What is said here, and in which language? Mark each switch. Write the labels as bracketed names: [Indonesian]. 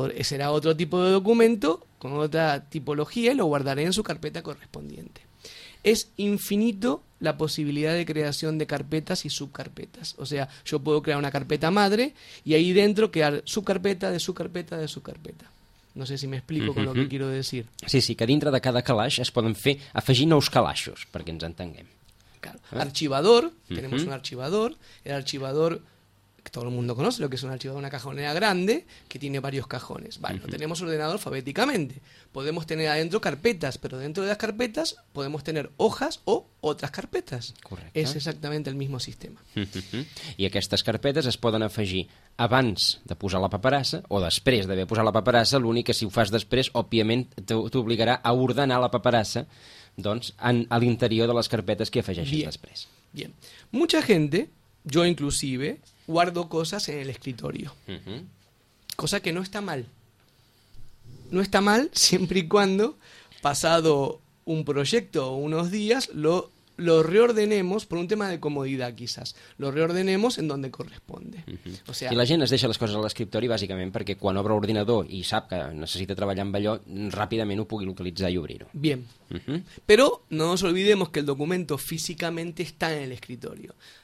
[Spanish] Será otro tipo de documento con otra tipología y lo guardaré en su carpeta correspondiente. Es infinito la posibilidad de creación de carpetas y subcarpetas. O sea, yo puedo crear una carpeta madre y ahí dentro crear subcarpeta de subcarpeta de subcarpeta. [Catalan] No sé si m'explico amb el que [Spanish] quiero decir. [Catalan] Sí, sí, que dintre de cada calaix es poden fer afegir nous calaixos, perquè ens entenguem. [Spanish] Claro. Archivador, tenemos un archivador. El archivador, que todo el mundo conoce lo que es un archivador, una cajonera grande que tiene varios cajones. Vale, lo tenemos ordenado alfabéticamente. Podemos tener adentro carpetas, pero dentro de las carpetas podemos tener hojas o otras carpetas. [Catalan] Correcte. [Spanish] Es exactamente el mismo sistema. [Catalan] I aquestes carpetes es poden afegir abans de posar la paperassa o després d'haver posat la paperassa. L'únic que si ho fas després, òbviament, t'obligarà a ordenar la paperassa doncs, a l'interior de les carpetes que afegeixis després. [Spanish] Bien. Mucha gente, yo inclusive, guardo cosas en el escritorio. Cosa que no está mal. No está mal siempre y cuando, pasado un proyecto o unos días, lo reordenemos por un tema de comodidad, quizás. Lo reordenemos en donde corresponde. [Catalan] O sea, i la gent es deixa les coses a l'escriptori, bàsicament, perquè quan obre l'ordinador i sap que necessita treballar amb allò, ràpidament ho pugui localitzar i obrir-ho. [Spanish] Bien. Però no nos olvidemos que el documento físicamente está en el escritorio.